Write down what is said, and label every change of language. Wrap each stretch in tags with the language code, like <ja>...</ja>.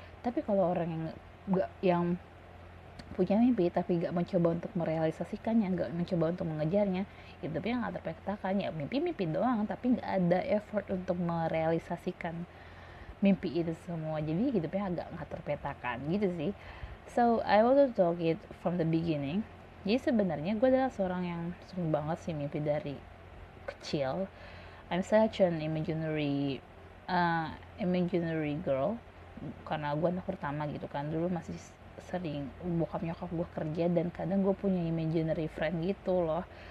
<id>Tapi kalau orang yang punya mimpi tapi gak mencoba untuk merealisasikannya, gak mencoba untuk mengejarnya, hidupnya gak terpetakan. Ya mimpi-mimpi doang, tapi gak ada effort untuk merealisasikan mimpi itu semua. Jadi hidupnya agak gak terpetakan gitu sih.</id> <en>So, I want to talk it from the beginning.</en> <id>Jadi sebenarnya gue adalah seorang yang sering banget sih mimpi dari kecil.</id> <en>I'm such an imaginary girl.</en> <id>Karena gue anak pertama gitu kan. Dulu masih sering bokap nyokap gue kerja dan kadang gue punya imaginary friend gitu loh.</id>